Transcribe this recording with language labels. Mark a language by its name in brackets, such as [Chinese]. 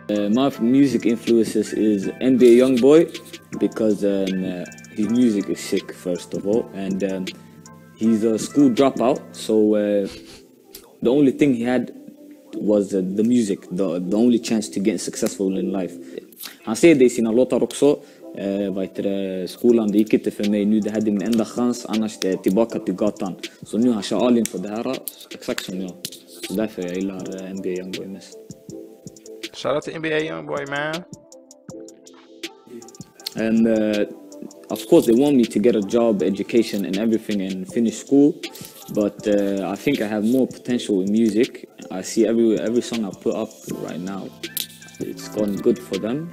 [English] My music influences is NBA Youngboy, because his music is sick, first of all. And he's a school dropout, so the only thing he had was the music, the only chance to get successful in life. [Swedish] Han säger det i sina låtar också. Skolan det gick inte för mig nu, det hade min enda chans, annars det är tillbaka till gatan. Så nu har jag all in för det här, exakt som jag. Därför jag gillar NBA Youngboy mest. Shout out till NBA Youngboy, man. [English] And of course they want me to get a job, education and everything and finish school. But I think I have more potential in music. I see every song I put up right now, it's gone good for them.